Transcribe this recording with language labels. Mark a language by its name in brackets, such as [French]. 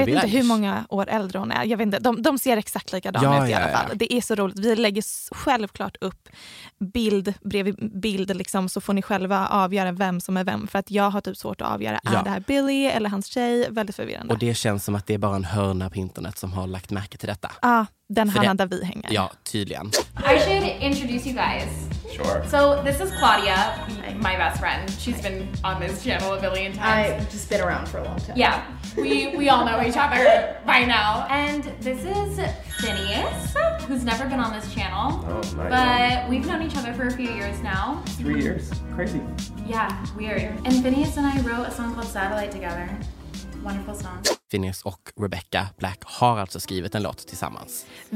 [Swedish] Eilish. Jag vet inte hur många år äldre hon är. Jag vet inte. De ser exakt likadana ut i alla fall. Det är så roligt. Vi lägger självklart upp bild bredvid bild liksom, så får ni själva avgöra vem som är vem. För att jag har typ svårt att avgöra, är det här Billie eller hans tjej? Väldigt förvirrande. Och det känns som att det är bara en hörna på internet som har lagt märke till detta. Ja, den hörna där vi hänger. Ja, tydligen. [English] I should introduce you guys. Sure. So this is Claudia, my best friend. She's been on this channel a billion times. I've just been around for a long time. Yeah, we all know each other by now. And this is Phineas, who's never been on this channel. Oh, nice. But we've known each other for a few years now. 3 years, crazy. Yeah, weird. And Phineas and I wrote a song called Satellite together. Wonderful song. [Swedish] Phineas och Rebecca Black har alltså skrivit en låt tillsammans.